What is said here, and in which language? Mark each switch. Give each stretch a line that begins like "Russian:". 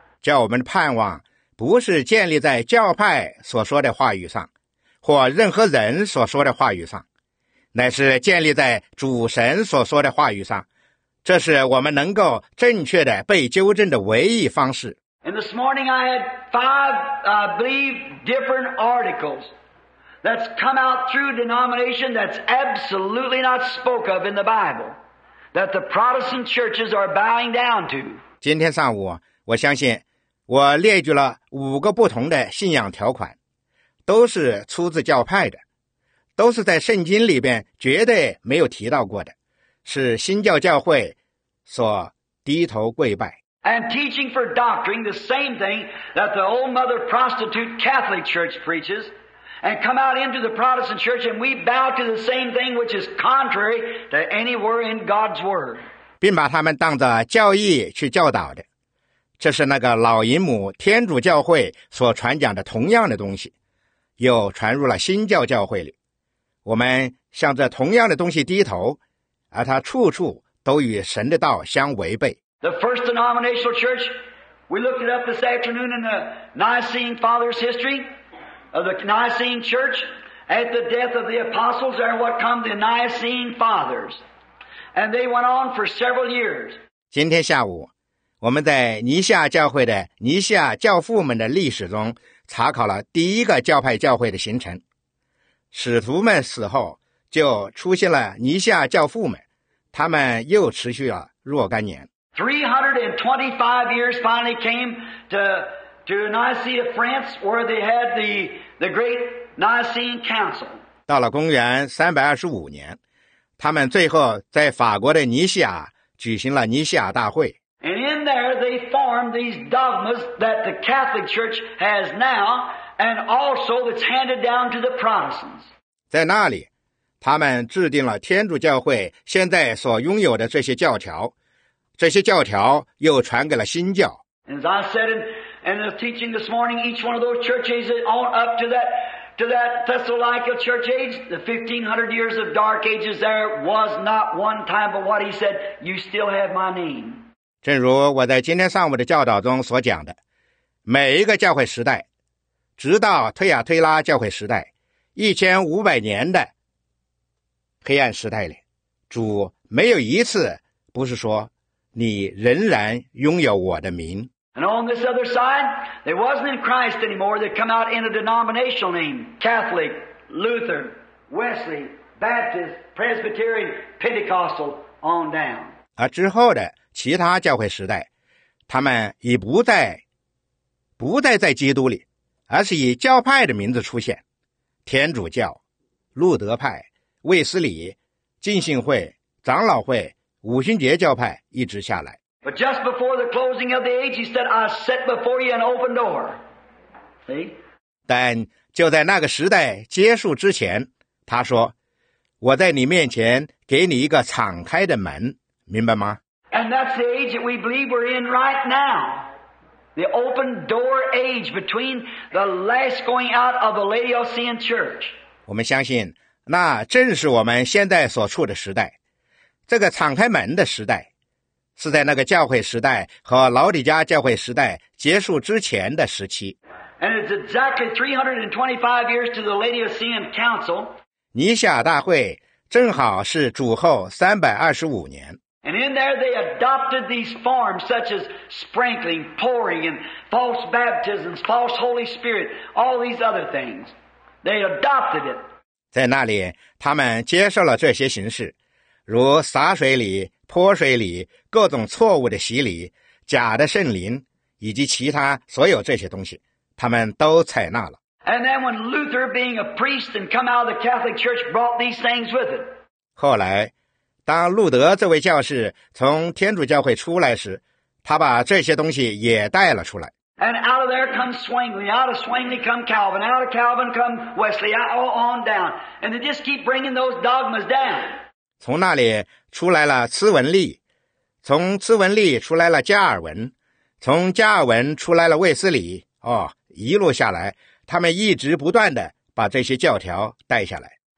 Chinese: 叫我们的盼望不是建立在教派所说的话语上，或任何人所说的话语上，乃是建立在主神所说的话语上。这是我们能够正确的被纠正的唯一方式。
English: And this morning I had five, I believe, different articles. That's come out through denomination that's absolutely not spoke of in the Bible, that the Protestant churches are bowing down to.
Chinese: 今天上午，我相信我列举了五个不同的信仰条款，都是出自教派的，都是在圣经里边绝对没有提到过的，是新教教会所低头跪拜。
English: And teaching for doctrine the same thing that the old mother prostitute Catholic Church preaches. And come out into the Protestant church and we bow to the same thing which is contrary to anywhere in God's word.
Chinese: 并把他们当着教义去教导的。这是那个老淫母天主教会所传讲的同样的东西。又传入了新教教会里。我们向着同样的东西低头，而它处处都与神的道相违背。
English: The first denominational church, we looked it up this afternoon in the Nicene Fathers' history. Of the Nicene Church, at the death of the apostles, there what come the Nicene Fathers. And they went on for several years.
Chinese: 今天下午，我们在尼西亚教会的尼西亚教父们的历史中查考了第一个教派教会的形成。使徒们死后，就出现了尼西亚教父们，他们又持续了若干年。
English: 325 years finally came to Nicaea, France, where they had the great Nicene Council.
Chinese: 到了公元325年，他们最后在法国的尼西亚举行了尼西亚大会。
English: And in there they formed these dogmas that the Catholic Church has now, and also that's handed down to the Protestants.
Chinese: 在那里，他们制定了天主教会现在所拥有的这些教条，这些教条又传给了新教。
English: As I said in the teaching this morning, each one of those churches on up to that Thessalonica church age, the 1500 years of dark ages there was not one time but what he said, you still have my name.
Chinese: 正如我在今天上午的教导中所讲的，每一个教会时代，直到推亚推拉教会时代，1500年的黑暗时代里，主没有一次不是说你仍然拥有我的名。
English: And on this other side, they wasn't in Christ anymore. They come out in a denominational name: Catholic, Luther, Wesley, Baptist, Presbyterian, Pentecostal, on down.
Chinese: 而之后的其他教会时代，他们已不再在基督里，而是以教派的名字出现：天主教、路德派、卫斯理、浸信会、长老会、五旬节教派，一直下来。
English: But just before the closing of the age, he said, I set before you an open door. See?
Chinese: 但就在那个时代结束之前，他说，我在你面前给你一个敞开的门，明白吗？
English: And that's the age that we believe we're in right now. The open door age between the last going out of the Laodicean church.
Chinese: 我们相信，那正是我们现在所处的时代，这个敞开门的时代。是在那个教会时代和老底家教会时代结束之前的时期。
English: And it's exactly 325 years to the Laodicean Council.
Chinese: 尼雅大会正好是主后325年。
English: And in there they adopted these forms such as sprinkling, pouring, and false baptisms, false Holy Spirit, all these other things. They adopted it.
Chinese: 在那里，他们接受了这些形式，如洒水礼、泼水礼、各种错误的洗礼、假的圣灵以及其他所有这些东西，他们都采纳了。
English: And then when Luther, being a priest and come out of the Catholic Church, brought these things with it.
Chinese: 后来，当路德这位教士从天主教会出来时，他把这些东西也带了出来。
English: And out of there comes Swingley, out of Swingley come Calvin, out of Calvin come Wesley, all on down, and they just keep bringing those dogmas down.
Chinese: 从那里出来了茨文利，从茨文利出来了加尔文，从加尔文出来了卫斯理，哦，一路下来，他们一直不断地把这些教条带下来。